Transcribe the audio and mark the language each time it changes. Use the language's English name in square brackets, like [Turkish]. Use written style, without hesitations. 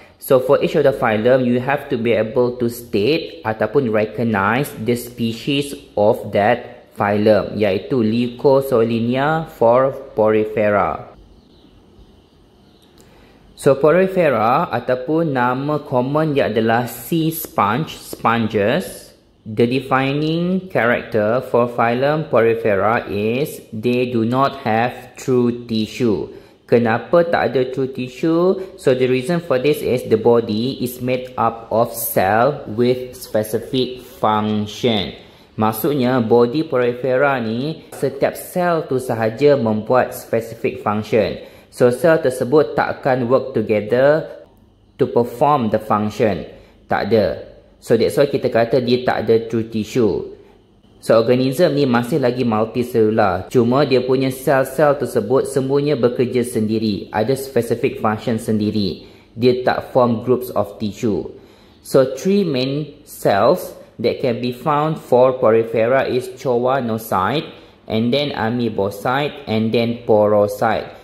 [English] So for each of the phylum, you have to be able to state [Malay] ataupun [English] recognize the species of that phylum, [Malay] iaitu [English] Leucosolenia for Porifera. [Malay] So Porifera ataupun nama common dia adalah sea sponge, sponges. [English] The defining character for phylum Porifera is they do not have true tissue. [Malay] Kenapa tak ada [English] true tissue? So the reason for this is the body is made up of cell with specific function. [Malay] Maksudnya body Porifera ni setiap cell tu sahaja membuat specific function. So cell tersebut takkan [English] work together to perform the function. [Malay] Tak ada. [English] So that's why [Malay] kita kata dia tak ada true tissue. So organism ni masih lagi multicellular. Cuma dia punya sel-sel tersebut semuanya bekerja sendiri. Ada specific function sendiri. Dia tak [English] form groups of tissue. So three main cells that can be found for Porifera is Choanocyte, and then Ameobocyte, and then Porocyte.